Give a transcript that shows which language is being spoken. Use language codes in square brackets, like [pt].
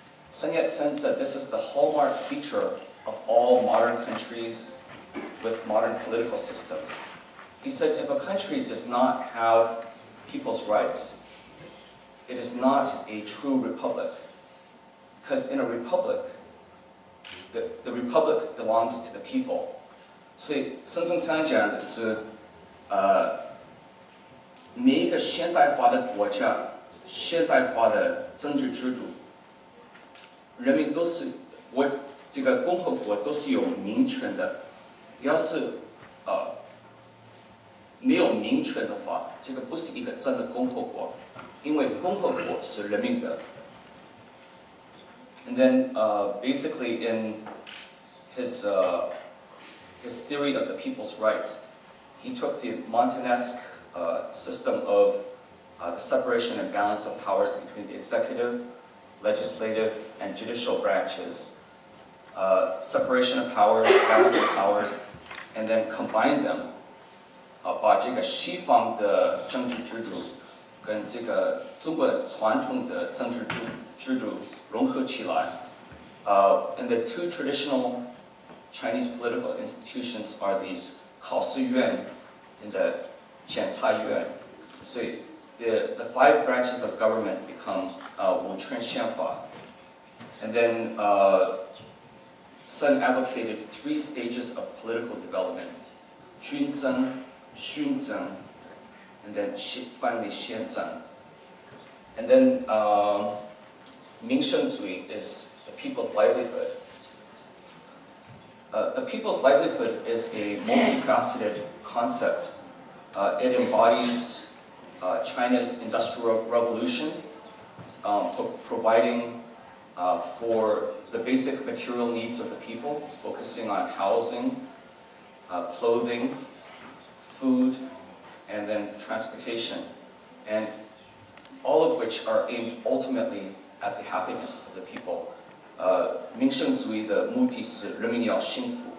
[en] Sun Yat-sen said this is the hallmark feature of all modern countries with modern political systems. He said if a country does not have people's rights,It is not a true republic, because in a republic, the republic belongs to the people. [zh] 所以孙中山讲的是，每一个现代化的国家，现代化的政治制度，人民都是我这个共和国都是有民权的。要是没有民权的话，这个不是一个真的共和国。因为共和国是人民的。 [en] And then, basically, in his theory of the people's rights, he took the Montanesque system of the separation and balance of powers between the executive, legislative, and judicial branches, separation of powers, balance of powers, and then combined them. [zh] 把这个西方的政治制度跟这个中国传统的政治制度融合起来。 [en] And the two traditional Chinese political institutions are the 考试院 and the 检察院。 [zh] 所以 [en] the five branches of government become 五权宪法。 And then Sun advocated three stages of political development. [zh] 君政、训政。 [en] And then finally, Xian Zhang. And then, Mingsheng Zui is the people's livelihood. The people's livelihood is a multifaceted concept. It embodies China's industrial revolution, providing for the basic material needs of the people, focusing on housing, clothing, food,and then transportation, and all of which are aimed ultimately at the happiness of the people. [zh] 民生主义的目的是人民要幸福。